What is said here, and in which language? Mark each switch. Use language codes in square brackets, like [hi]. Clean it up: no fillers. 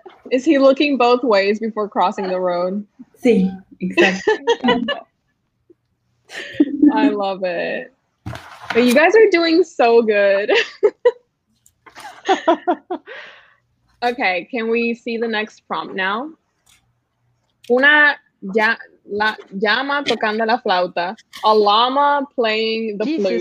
[en] Is he looking both ways before crossing the road? Sí, exactly. I love it. But you guys are doing so good. Okay, can we see the next prompt now? [es] Una llama tocando la flauta. [en] A llama playing the flute.